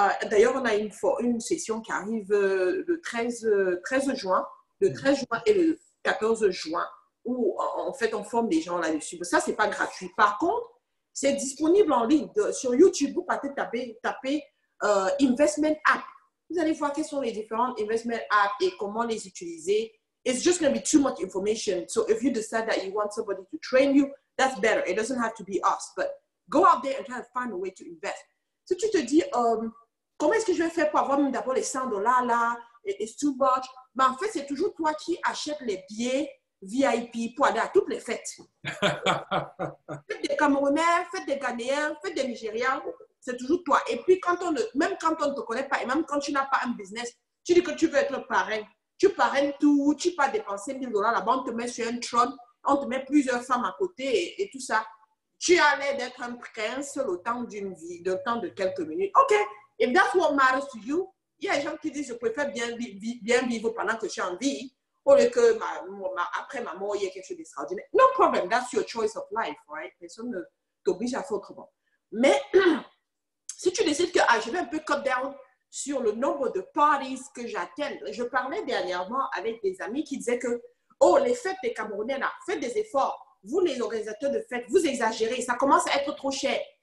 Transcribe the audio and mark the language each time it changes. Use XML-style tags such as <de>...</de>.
<fr>D'ailleurs, on a une session qui arrive le 13 juin, le 13 juin et le 14 juin, où en fait, on forme des gens là-dessus. Mais ça, ce n'est pas gratuit. Par contre, c'est disponible en ligne sur YouTube. Vous pouvez taper investment app. Vous allez voir quelles sont les différentes investment apps et comment les utiliser.</fr> <en>It's just going to be too much information. So if you decide that you want somebody to train you, that's better. It doesn't have to be us. But go out there and try to find a way to invest.</en> <fr>Si tu te dis, comment est-ce que je vais faire pour avoir même d'abord les $100 là,</fr> <en>it's too much.</en> <fr>Mais en fait, c'est toujours toi qui achètes les billets VIP pour aller à toutes les fêtes. Faites des Camerounais, faites des Ghanéens, faites des Nigériens, c'est toujours toi. Et puis, même quand on ne te connaît pas, et même quand tu n'as pas un business, tu dis que tu veux être le parrain. Tu parraines tout, tu peux pas dépenser $1,000 là-bas, on te met sur un trône, on te met plusieurs femmes à côté et tout ça. Tu as l'air d'être un prince le temps d'une vie, le temps de quelques minutes.</fr> <en>OK, if that's what matters to you,</en> <fr>il y a des gens qui disent, je préfère bien vivre pendant que je suis en vie. Pour le que après ma mort, il y a quelque chose d'extraordinaire.</fr> <en>No problem, that's your choice of life, right?</en> <fr>Personne ne t'oblige à faire autrement. Mais si tu décides que je vais un peu</fr> <en>cut down</en> <fr>sur le nombre de parties que j'attends, je parlais dernièrement avec des amis qui disaient que, oh, les fêtes des Camerounais, là, faites des efforts. Vous, les organisateurs de fêtes, vous exagérez, ça commence à être trop cher.</fr>